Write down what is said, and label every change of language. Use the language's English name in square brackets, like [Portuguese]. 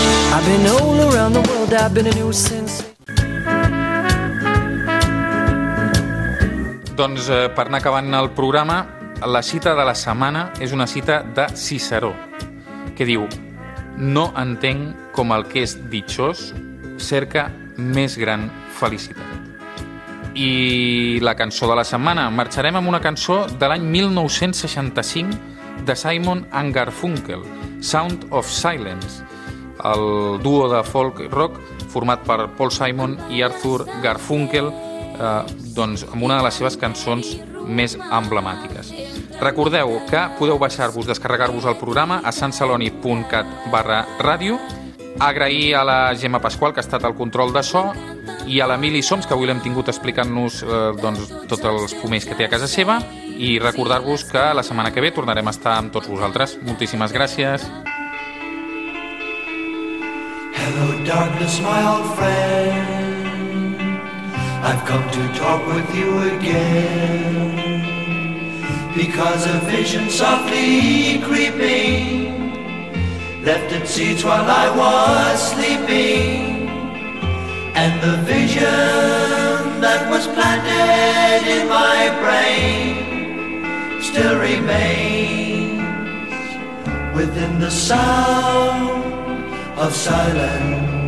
[English] I've been all around the world, I've been a new sensation. [Catalan] Doncs per anar acabant el programa, la cita de la setmana és una cita de Ciceró, que diu: no entenc com el que és ditxós cerca més gran felicitat. I la cançó de la setmana, marxarem amb una cançó de l'any 1965 de Simon & Garfunkel, Sound of Silence, el duo de folk rock format per Paul Simon i Arthur Garfunkel, doncs amb una de les seves cançons més emblemàtiques. Recordeu que podeu baixar-vos, descarregar-vos el programa a santsaloni.cat/ràdio. Agrair a la Gemma Pasqual, que ha estat al control de so, i a l'Emili Soms, que avui l'hem tingut explicant-nos doncs, tots els pomers que té a casa seva, i recordar-vos que la setmana que ve tornarem a estar amb tots vosaltres. Moltíssimes gràcies. [English] Hello darkness, my old friend, I've come to talk with you again, because a vision softly creeping left its seeds while I was sleeping, and the vision that was planted in my brain still remains within the sound of silence.